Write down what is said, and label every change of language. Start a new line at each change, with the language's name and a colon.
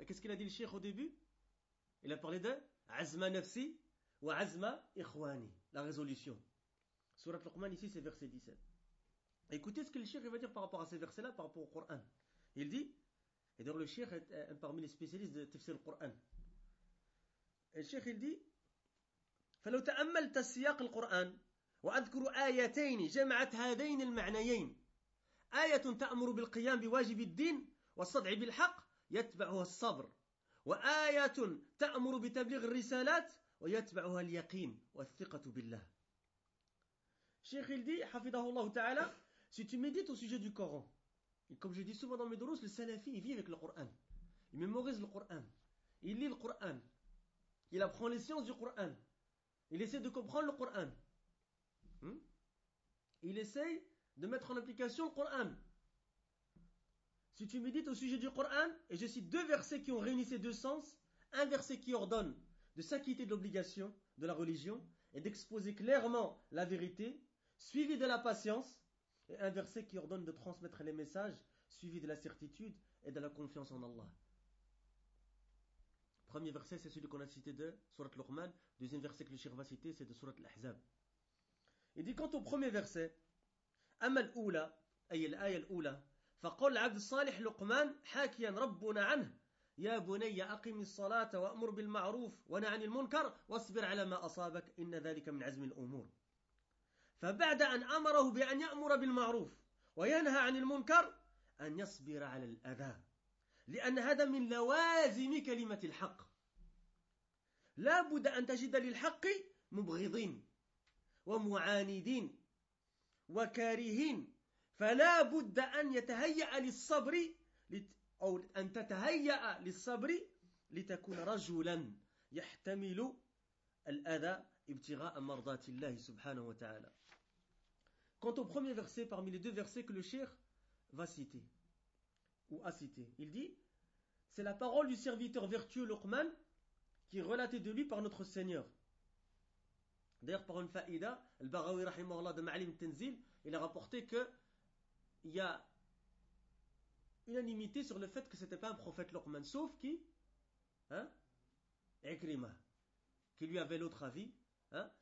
French: Et qu'est-ce qu'il a dit le cheikh au début? Il a parlé de azma nafsi wa azma ikhwani, la résolution. Surat Luqman ici c'est verset 17. Écoutez ce que le cheikh va dire par rapport à ces versets là par rapport au Coran. Il dit, et donc le cheikh est parmi les spécialistes de tafsir al-Coran. Et le cheikh il dit,
Arabic: فلو تأملت سياق القرآن وأذكر آيتين جمعت هذين المعنيين، آية تأمر بالقيام بواجب الدين والصدع بالحق يتبعها الصبر، وآية تأمر بتبليغ الرسالات ويتبعها اليقين والثقة بالله. شيخ الدي حفظه الله تعالى،
French: si tu médites au sujet du Coran, et comme je dis souvent dans mes dorus, le salafi il vit avec le Coran, il mémorise le Coran, il lit le Coran, il apprend les sciences du Coran, il essaie de comprendre le Coran, il essaie de mettre en application le Coran. Si tu médites au sujet du Coran, et je cite deux versets qui ont réuni ces deux sens, un verset qui ordonne de s'acquitter de l'obligation de la religion et d'exposer clairement la vérité, suivi de la patience, et un verset qui ordonne de transmettre les messages, suivi de la certitude et de la confiance en Allah. Premier verset, c'est celui qu'on a cité de Sourate Luqman. Deuxième verset que le Cheikh va citer, c'est de Sourate Al-Ahzab. Il dit quant au premier verset,
Arabic: Amal Oula, Ayel Ayel Oula, فقل عبد صالح لقمان حاكيا ربنا عنه يا بني أقم الصلاة وأمر بالمعروف ونهى عن المنكر واصبر على ما أصابك إن ذلك من عزم الأمور. فبعد أن أمره بأن يأمر بالمعروف وينهى عن المنكر أن يصبر على الأذى، لأن هذا من لوازم كلمة الحق، لا بد أن تجد للحق مبغضين ومعاندين وكارهين، فلا بد أن يتهيأ للصبر أو أن تتهيأ للصبر لتكون رجلا يحتمل الأذى ابتغاء مرضات الله سبحانه وتعالى.
French: Quant au premier verset, parmi les deux versets que le Cheikh va citer ou a cité, il dit, c'est la parole du serviteur vertueux Luqman qui est relatée de lui par notre Seigneur. D'ailleurs, par une faïda, Al-Baghawi rahimahullah de Ma'alim Tanzil, il a rapporté que il y a unanimité sur le fait que ce n'était pas un prophète Luqman, sauf qui Ikrimah, qui lui avait l'autre avis. Hein?